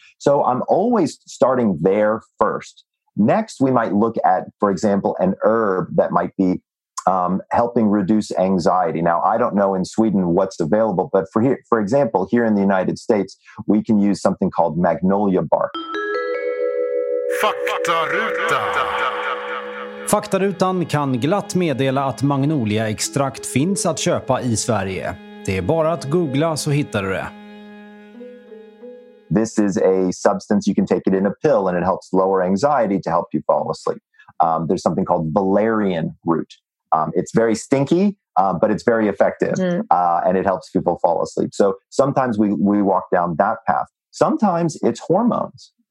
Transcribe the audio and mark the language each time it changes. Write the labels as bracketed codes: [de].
[en] So I'm always starting there first. Next, we might look at, for example, an herb that might be helping reduce anxiety. Now, I don't know in Sweden what's available, but for here, for example, here in the United States, we can use something called magnolia bark. [sv] Faktarutan kan glatt meddela att magnoliaextrakt finns att köpa i Sverige. Det är bara att googla så hittar du det. [en] This is a substance, you can take it in a pill and it helps lower anxiety to help you fall asleep. There's something called valerian root. It's very stinky, but it's very effective and it helps people fall asleep. So sometimes we walk down that path. Sometimes it's hormones.